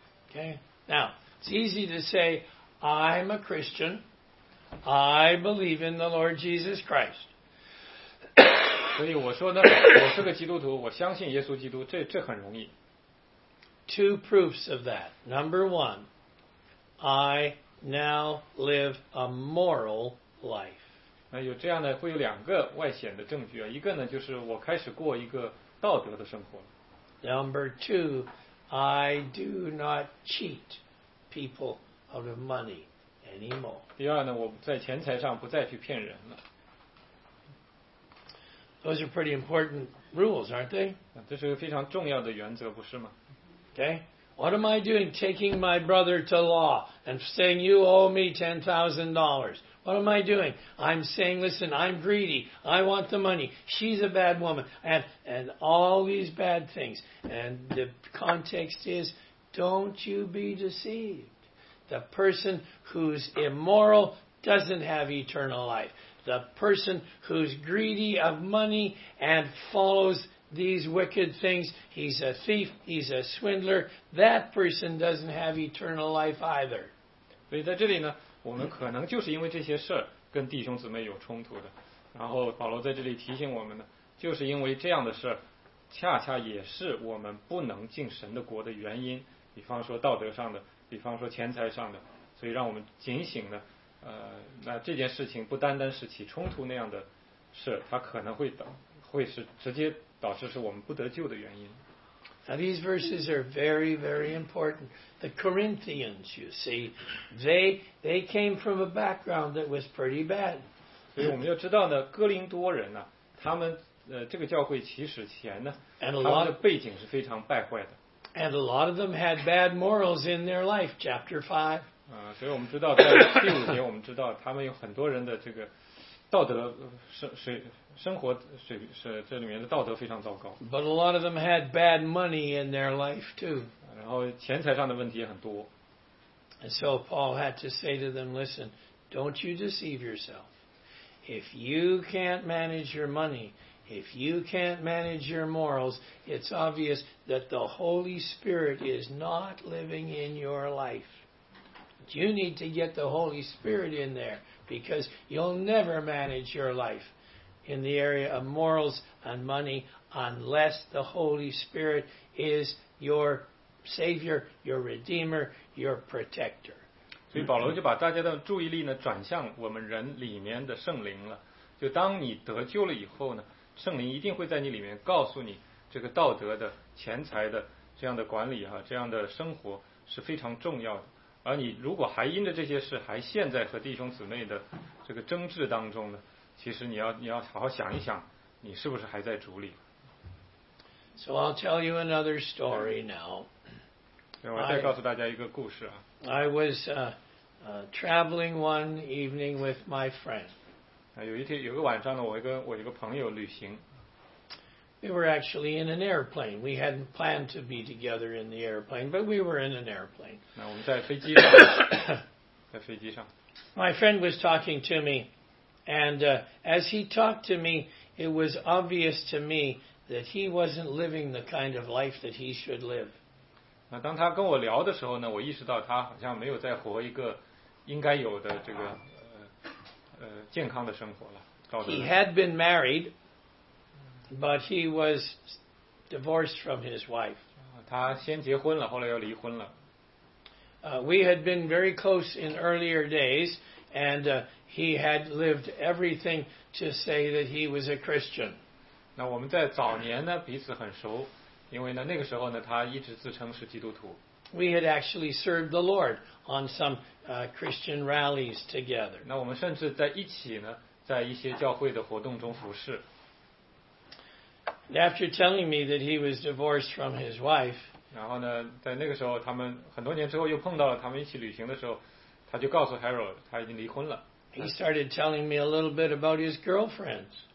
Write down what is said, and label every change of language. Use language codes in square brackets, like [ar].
[en] Okay, now it's easy to say I'm a Christian. I believe in the Lord Jesus Christ. [zh] 所以我说呢，我是个基督徒，我相信耶稣基督，这很容易。 [en] Two proofs of that. Number one, I now live a moral life. [zh] 有这样的会有两个外显的证据啊，一个呢就是我开始过一个道德的生活。 [en] Number two, I do not cheat people out of money anymore. [zh] 第二呢，我在钱财上不再去骗人了。 [en] Those are pretty important rules, aren't they? [zh] 这是个非常重要的原则，不是吗 [en] ？Okay, what am I doing taking my brother to law and saying you owe me $10,000? What am I doing? I'm saying, listen, I'm greedy. I want the money. She's a bad woman. And all these bad things. And the context is, don't you be deceived. The person who's immoral doesn't have eternal life. The person who's greedy of money and follows these wicked things, he's a thief, he's a swindler, that person doesn't have eternal life either. [zh] 所以在这里呢我们可能就是因为这些事跟弟兄姊妹有冲突的，然后保罗在这里提醒我们呢，就是因为这样的事恰恰也是我们不能进神的国的原因，比方说道德上的，比方说钱财上的，所以让我们警醒呢，那这件事情不单单是起冲突那样的事，它可能会是直接导致是我们不得救的原因。 [en] Now these verses are very, very important. The Corinthians, you see, they came from a background that was pretty bad. [zh] 所以我们要知道呢，哥林多人呢，他们这个教会起始前呢，他们的背景是非常败坏的。 [en] And a lot of them had bad morals in their life. Chapter 5. [zh] 所以我们知道在第五节，我们知道他们有很多人的这个道德生活水是这里面的道德非常糟糕。 [en] But a lot of them had bad money in their life too. [zh] 然后钱财上的问题也很多。 [en] And so Paul had to say to them, listen, don't you deceive yourself. If you can't manage your money, if you can't manage your morals, it's obvious that the Holy Spirit is not living in your life. You need to get the Holy Spirit in there because you'll never manage your life. In the area of morals and money, unless the Holy Spirit is your Savior, your Redeemer, your Protector. [zh] 所以保罗就把大家的注意力呢转向我们人里面的圣灵了。就当你得救了以后呢，圣灵一定会在你里面告诉你这个道德的、钱财的这样的管理哈、啊，这样的生活是非常重要的。而你如果还因着这些事还陷在和弟兄姊妹的这个争执当中呢，其实你要好好想一想，你是不是还在主里。 [en] So I'll tell you another story now. [zh] 我再告诉大家一个故事啊。 [en] I was traveling one evening with my friend. [zh] 有个晚上呢，我一个朋友旅行。 [en] We were actually in an airplane. We hadn't planned to be together in the airplane, but we were in an airplane. [zh] 那我们在飞机上，在飞机上。 [en] My friend was talking to me, and as he talked to me, it was obvious to me that he wasn't living the kind of life that he should live. [zh] 那当他跟我聊的时候呢，我意识到他好像没有在活一个应该有的这个健康的生活了。 [en] He had been married. But he was divorced from his wife. [zh] 他先结婚了，后来又离婚了。 [en] We had been very close in earlier days, and he had lived everything to say that he was a Christian. [zh] 那我们在早年呢彼此很熟，因为呢那个时候呢他一直自称是基督徒。 [en] We had actually served the Lord on some Christian rallies together. [zh] 那我们甚至在一起呢，在一些教会的活动中服侍。 [en] After telling me that he was divorced from his wife, [zh] 然后呢，在那个时候，他们很多年之后又碰到了，他们一起旅行的时候，他就告诉 Harold 他已经离婚了。 [en] He started telling me a little bit about his girlfriends.